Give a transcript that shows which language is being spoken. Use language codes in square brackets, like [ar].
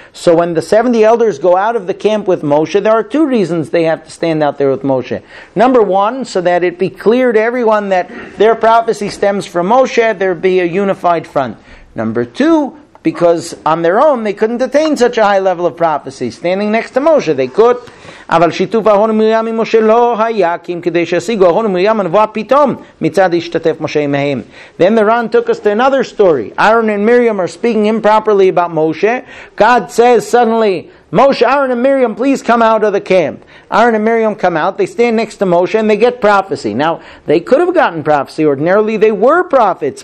[en] So when the 70 elders go out of the camp with Moshe, there are two reasons they have to stand out there with Moshe. Number one, so that it be clear to everyone that their prophecy stems from Moshe, there be a unified front. Number two, because on their own, they couldn't attain such a high level of prophecy. Standing next to Moshe, they could. [he] אבל שיתוף אהרון ומרים עם משה לא היה, כי אם כדי שישיגו אהרון ומרים הנבואה פתאום מצד השתתף משה מהם. [en] Then the Ran took us to another story. Aaron and Miriam are speaking improperly about Moshe. God says suddenly, Moshe, Aaron and Miriam, please come out of the camp. Aaron and Miriam come out, they stand next to Moshe, and they get prophecy. Now, they could have gotten prophecy. Ordinarily, they were prophets.